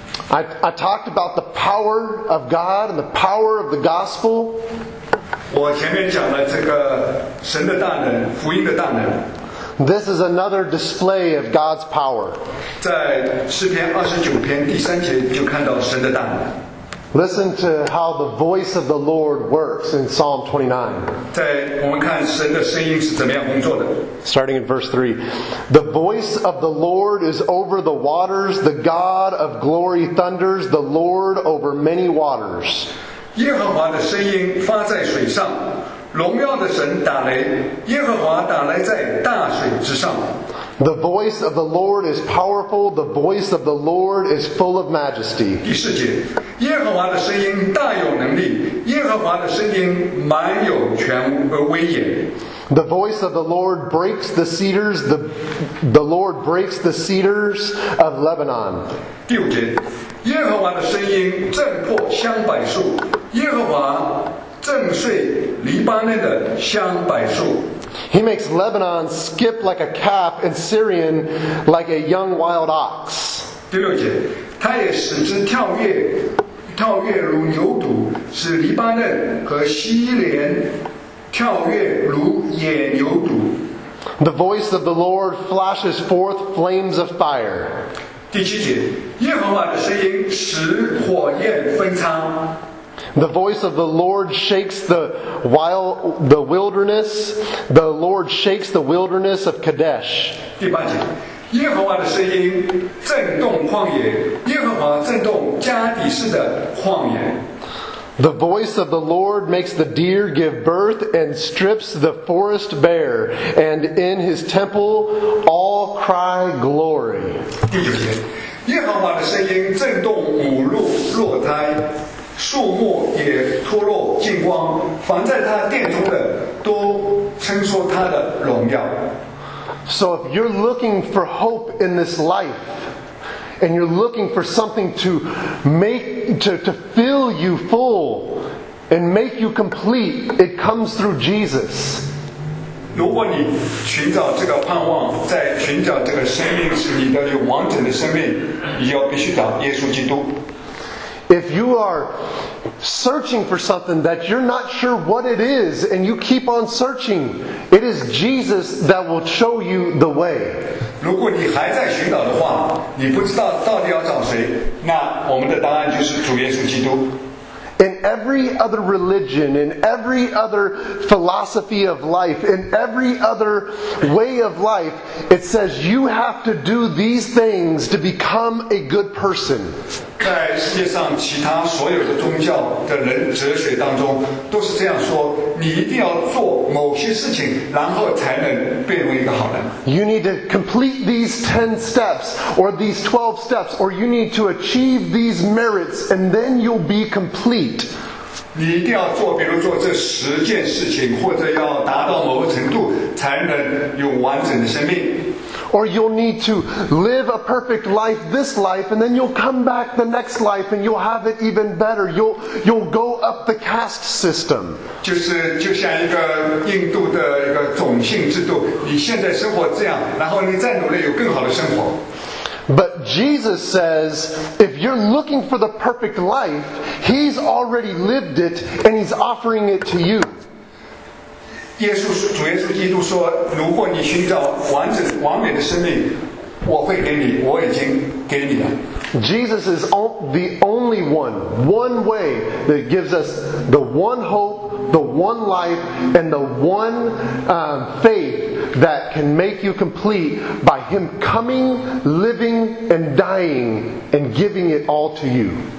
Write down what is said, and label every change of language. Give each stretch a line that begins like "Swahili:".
English: I talked about the power of God and the power of the gospel.
Chinese: 我前面讲了这个神的大能，福音的大能。
English: This is another display of God's power.
Chinese: 在诗篇二十九篇第三节就看到神的大能。
English: Listen to how the voice of the Lord works in Psalm 29. Starting in verse 3. The voice of the Lord is over the waters. The God of glory thunders. The Lord over many waters.
Chinese: 耶和华的声音发在水上，荣耀的神打雷，耶和华打雷在大水之上。
English: The voice of the Lord is powerful. The voice of the Lord is full of majesty.
Chinese: 第四节，耶和华的声音大有能力，耶和华的声音满有权威严。
English: The voice of the Lord breaks the cedars. The Lord breaks the cedars of Lebanon.
Chinese: 第五节，耶和华的声音震破香柏树，耶和华震碎黎巴嫩的香柏树。
English: He makes Lebanon skip like a calf and Syrian like a young wild ox.
Chinese: 第六节，他也使之跳跃如牛犊，使黎巴嫩和西连跳跃如野牛犊。
English: The voice of the Lord flashes forth flames of fire.
Chinese: 第七节，耶和华的声音使火焰分仓。
English: The voice of the Lord shakes the wilderness. The Lord shakes the wilderness of Kadesh.
Chinese: 第八节，耶和华的声音震动旷野，耶和华震动加底士的旷野。
English: The voice of the Lord makes the deer give birth and strips the forest bare, and in his temple all cry glory.
Chinese: 第九节，耶和华的声音震动母鹿落胎。树木也脱落尽光，凡在他殿中的都称说他的荣耀。
English: So if you're looking for hope in this life, and you're looking for something to make to fill you full and make you complete, it comes through Jesus.
Chinese: 如果你寻找这个盼望，在寻找这个生命是你的有完整的生命，你要必须找耶稣基督。
English: If you are searching for something that you're not sure what it is and you keep on searching, it is Jesus that will show you the way.
Chinese: 如果你还在寻找的话，你不知道到底要找谁，那我们的答案就是主耶稣基督。
English: In every other religion, in every other philosophy of life, in every other way of life, it says you have to do these things to become a good person.
Chinese: 在世界上其他所有的宗教的人哲学当中都是这样说，你一定要做某些事情，然后才能变为一个好人。
English: You need to complete these 10 steps or these 12 steps, or you need to achieve these merits, and then you'll be complete.
Chinese: 你一定要做，比如做这十件事情，或者要达到某个程度，才能有完整的生命。
English: or you'll need to live a perfect life this life, and then you'll come back the next life and you'll have it even better. You'll go up the caste system.
Chinese: 就像一个印度的一个种姓制度，你现在生活这样，然后你再努力有更好的生活。
English: But Jesus says, if you're looking for the perfect life, He's already lived it and He's offering it to you.
Chinese: 主耶稣基督说，如果你寻找完整完美的生命，我会给你，我已经给你了。Jesus
English: is the only one way that gives us the one hope, the one life, and the one faith that can make you complete by Him coming, living, and dying, and giving it all to you.